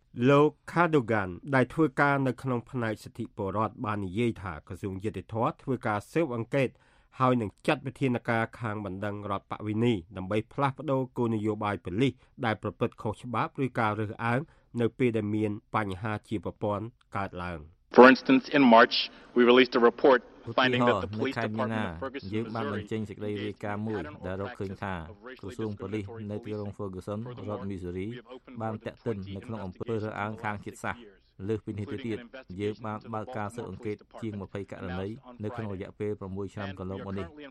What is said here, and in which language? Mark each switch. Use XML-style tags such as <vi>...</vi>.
<km>លោក Cadogan ដែលធ្វើការនៅក្នុងផ្នែកសិទ្ធិពលរដ្ឋបាននិយាយថាក្រសួងយុត្តិធម៌ធ្វើការស៊ើបអង្កេតហើយនឹងចាត់វិធានការខាងបណ្ដឹងរដ្ឋបវេណីដើម្បីផ្លាស់ប្ដូរគោលនយោបាយប៉ូលីសដែលប្រព្រឹត្តខុសច្បាប់ឬការរើសអើងនៅពេលដែលមានបញ្ហាជាប្រព័ន្ធកើតឡើង</km> <en>For instance in March we released a reportfinding that the police department of</en> <km>Ferguson យើងបានបញ្ចេញសេចក្តីរាយការណ៍មួយដែលរកឃើញថាក្រសួងប៉ូលីសនៅទីក្រុង Ferguson រដ្ឋ Missouri បានតាក់ទិននៅក្នុងអំពើរើសអើងខាងជាតិសាសន៍លើសពីនេះទៅទៀតយើងបានបើកការស៊ើបអង្កេតជាង20ករណីនៅក្នុងរយៈពេល6ឆ្នាំកន្លងមកនេះ</km>